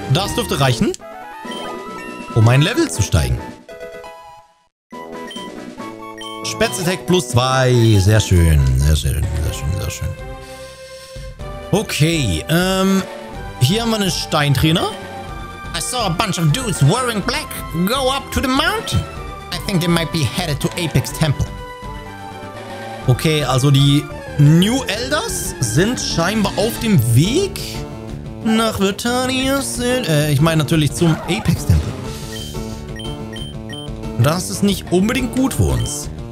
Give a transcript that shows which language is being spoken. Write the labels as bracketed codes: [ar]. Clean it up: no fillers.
[de] Das dürfte reichen, um ein Level zu steigen. Spätzle-Tech plus 2. Sehr schön. Sehr schön. Sehr schön. Sehr schön. Okay. Hier haben wir einen Steintrainer. [en] I saw a bunch of dudes wearing black go up to the mountain. I think they might be headed to Apex Temple. [de] Okay, also die New Elders sind scheinbar auf dem Weg nach Vitanius, ich meine natürlich zum Apex-Tempel. Das ist nicht unbedingt gut für uns.